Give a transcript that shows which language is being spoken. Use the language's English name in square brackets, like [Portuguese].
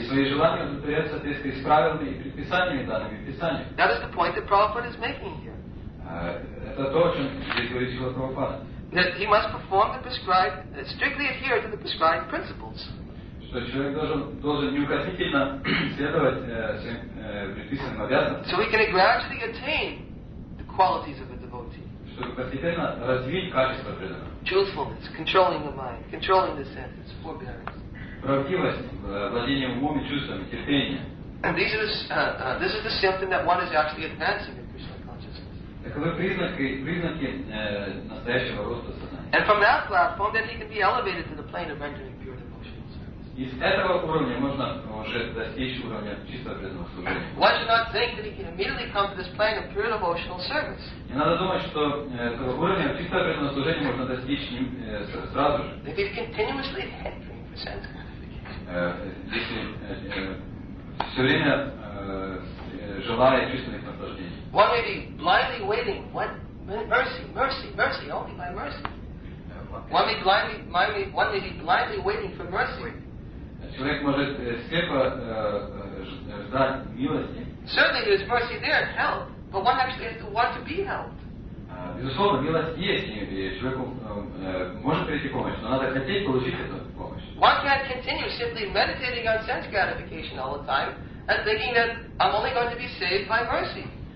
[Russian] свои желания удовлетворять соответствии с правилами и предписаниями данными в Писании. [English] That is the point that Prabhupada is making here. [Russian] Это то, о чем здесь говорит Шрила Прабхупада. [English] That he must perform the prescribed, strictly adhere to the prescribed principles. [Russian] Что человек должен неукоснительно следовать всем предписанным обязанностям. [English] So he can gradually attain the qualities of a devotee. [Russian] Чтобы постепенно развить качество преданного. [English] Truthfulness, controlling the mind, controlling the senses, forbearance. [Russian] Правдивость, владение умом и чувствами, терпение. [English] And these are this is the symptom that one is actually advancing. [Russian] Таковы признаки настоящего роста сознания. [English] And from that platform, then he can be elevated to the plane of entering pure devotional service. [Russian] Из этого уровня можно уже достичь уровня чисто преданного служения. [English] Why should not think that he can immediately come to this plane of pure devotional service? [Russian] Не надо думать, что этого уровня чисто преданного служения можно достичь сразу же. [English] If he's continuously entering for sense gratification. [Russian] Если все время желая чувственных наслаждений. [English] One may be blindly waiting. Mercy, only by mercy. One may be blindly waiting for mercy. [Russian] Человек может слепо ждать милости. [English] Certainly there is mercy there in hell, but one actually has to want to be helped. [Russian] Безусловно, милость есть, и человеку может прийти помощь, но надо хотеть получить эту помощь. [English] One can't continue simply meditating on sense gratification all the time and thinking that I'm only going to be saved by mercy.